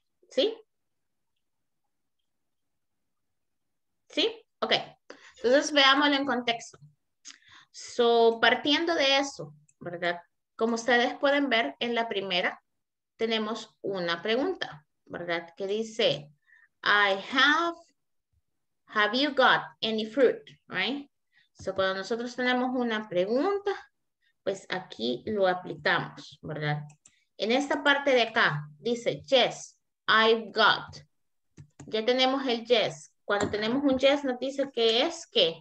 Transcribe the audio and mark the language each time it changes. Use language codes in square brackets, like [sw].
[es] ¿Sí? ¿Sí? Ok. Entonces, veámoslo en contexto. So, partiendo de eso, ¿verdad? Como ustedes pueden ver en la primera, tenemos una pregunta, ¿verdad? Que dice, [en] have you got any fruit, right? [es] So, cuando nosotros tenemos una pregunta, pues aquí lo aplicamos, ¿verdad? En esta parte de acá, dice, [en] yes, I've got. [es] Ya tenemos el yes. Cuando tenemos un yes, nos dice que es, ¿qué?